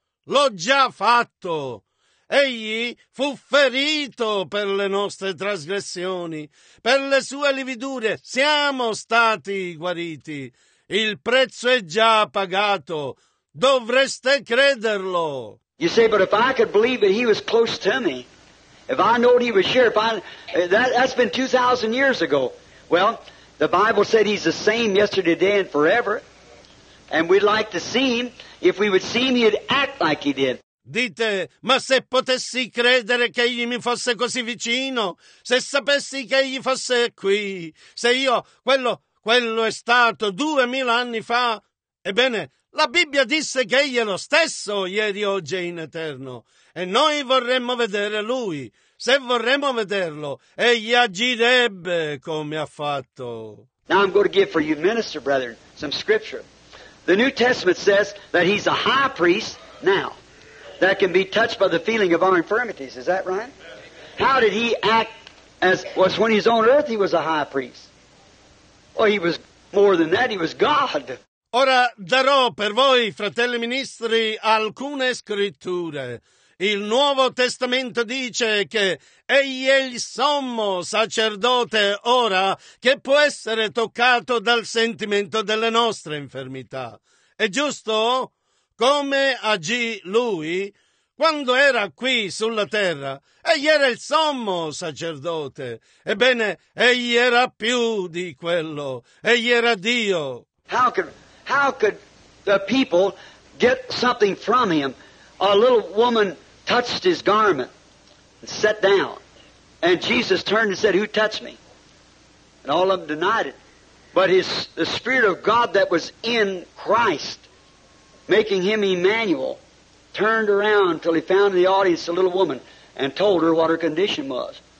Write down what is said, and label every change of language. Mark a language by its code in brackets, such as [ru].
[it] l'ho già fatto. Egli fu ferito per le nostre trasgressioni, per le sue lividure siamo stati guariti. Il prezzo è già pagato, dovreste crederlo. [en] You say, but if I could believe that he was close to me, if I know he was here, that's been 2,000 years ago. Well, the Bible said he's the same yesterday, today, and forever. And we'd like to see him. If we would see him, he'd act like he did. [it] Dite, ma se potessi credere che egli mi fosse così vicino, se sapessi che egli fosse qui, se io, quello è stato 2,000 anni fa, ebbene, la Bibbia disse che egli è lo stesso ieri, oggi e in eterno. E noi vorremmo vedere lui. Se vorremmo vederlo, egli agirebbe come ha fatto. [en] Now I'm going to give for you, minister, brethren, some scripture. The New Testament says that he's a high priest now that can be touched by the feeling of our infirmities. Is that right? How did he act as was when he's on earth he was a high priest? Well, he was more than that. He was God. [it] Ora darò per voi, fratelli ministri, alcune scritture. Il Nuovo Testamento dice che egli è il sommo sacerdote ora che può essere toccato dal sentimento delle nostre infermità. È giusto? Come agì lui? Quando era qui sulla terra, egli era il sommo sacerdote. Ebbene, egli era più di quello. Egli era Dio. [en] How could the people get something from him? A little woman touched his garment and sat down. And Jesus turned and said, "Who touched me?" And all of them denied it. But the Spirit of God that was in Christ, making him Emmanuel, turned around till he found in the audience a little woman and told her what her condition was.